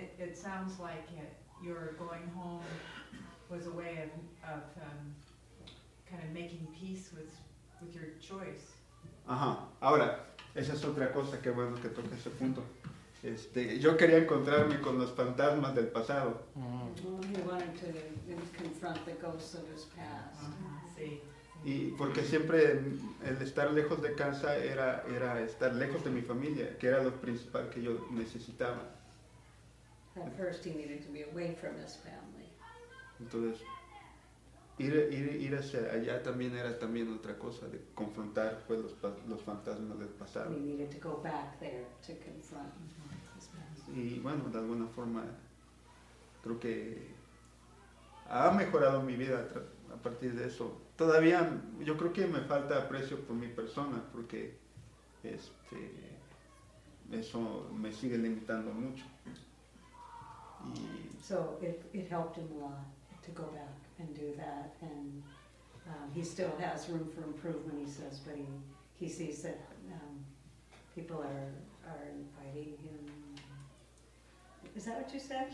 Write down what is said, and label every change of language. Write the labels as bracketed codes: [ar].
[en] It sounds like your going home was a way of kind of making peace with your choice. Ajá. [es] Ahora, esa es otra cosa, qué bueno que toque ese punto. Yo quería encontrarme con los fantasmas del pasado. Mm-hmm. [en] Well, he wanted to confront the ghosts of his past. Uh-huh. Sí. [es] Y porque siempre el estar lejos de casa era estar lejos de mi familia, que era lo principal que yo necesitaba. [en] At first he needed to be away from his family. [es] Entonces, ir hacia allá también era también otra cosa, de confrontar pues, los fantasmas del pasado. [en] We needed to go back there to confront. [es] Y bueno, de alguna forma, creo que ha mejorado mi vida a partir de eso. Todavía, yo creo que me falta aprecio por mi persona, porque eso me sigue limitando mucho. Y [en] so, it helped him a lot to go back and do that, and he still has room for improvement, he says, but he sees that people are inviting him. Is that what you said?